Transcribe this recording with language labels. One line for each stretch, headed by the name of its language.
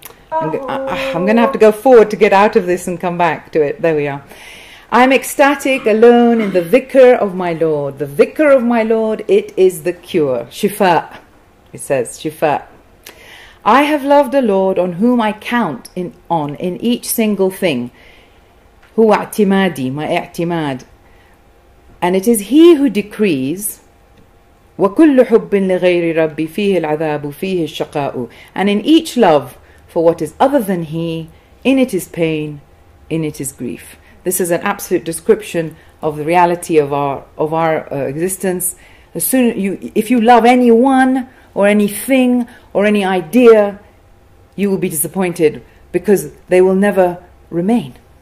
English: I'm going to have to go forward to get out of this and come back to it. There we are. I'm ecstatic alone in the vicar of my Lord. The vicar of my Lord, it is the cure. Shifa, it says, Shifa. I have loved a Lord on whom I count in each single thing,
Arabic: هو اعتمادي, my اعتماد.
English: And it is he who decrees,
Arabic: وكل حب لغير ربي فيه العذاب وفيه الشقاء.
English: And in each love for what is other than he, in it is pain, in it is grief. This is an absolute description of the reality of our existence. As soon you, if you love anyone or anything or any idea, you will be disappointed because they will never remain.